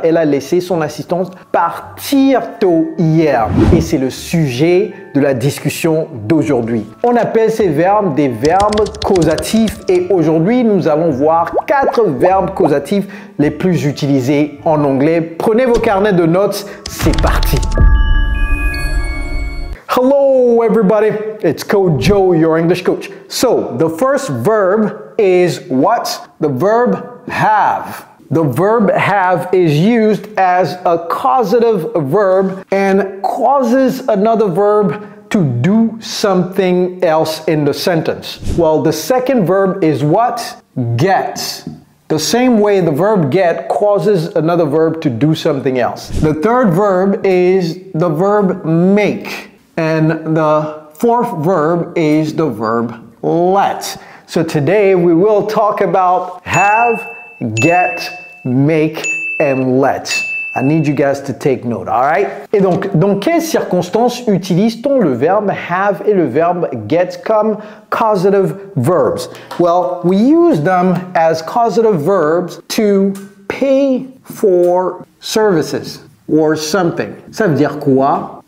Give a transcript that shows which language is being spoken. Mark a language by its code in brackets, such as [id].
[fr] Elle a laissé son assistante partir tôt hier. Et c'est le sujet de la discussion d'aujourd'hui. On appelle ces verbes des verbes causatifs. Et aujourd'hui, nous allons voir quatre verbes causatifs les plus utilisés en anglais. Prenez vos carnets de notes, c'est parti. [en] Hello everybody, it's Coach Joe, your English coach. So, the first verb is what? The verb have. The verb have is used as a causative verb and causes another verb to do something else in the sentence. Well, the second verb is what? Get. The same way the verb get causes another verb to do something else. The third verb is the verb make. And the fourth verb is the verb let. So today we will talk about have, get, make, and let. I need you guys to take note, all right? [fr] Et donc, dans quelles circonstances utilise-t-on le verbe have et le verbe get comme [en] causative verbs? Well, we use them as causative verbs to pay for services or something. [fr] Ça veut dire quoi?